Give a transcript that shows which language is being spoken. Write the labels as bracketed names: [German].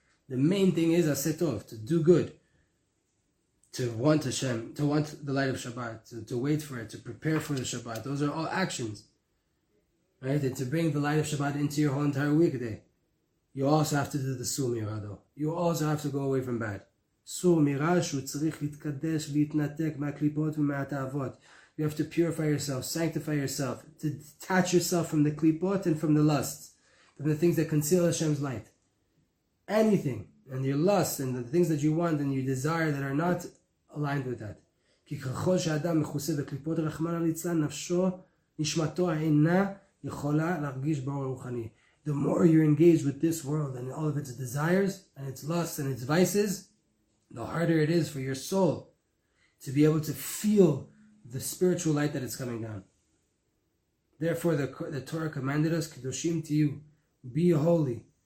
[English] The main thing is asetov, to do good. To want Hashem, to want the light of Shabbat, to wait for it, to prepare for the Shabbat. Those are all actions. Right? And to bring the light of Shabbat into your whole entire weekday. You also have to do the sumira though. You also have to go away from bad. [Hebrew] סור מירא שהוא צריך להתקדש ולהתנתק מהקליפות ומהתאוות. [English] You have to purify yourself, sanctify yourself, to detach yourself from the klipot and from the lusts, from the things that conceal Hashem's light. Anything, and your lust, and the things that you want and you desire that are not aligned with that. [Hebrew] כי ככל שאדם מכוסה בקליפות רחמנא ליצלן, נפשו, נשמתו אינה יכולה להרגיש באור רוחני. [English] The more you're engaged with this world and all of its desires and its lusts and its vices, the harder it is for your soul to be able to feel the spiritual light that is coming down. Therefore, the Torah commanded us, [Hebrew] "Kedoshim tiyu, [English] be holy."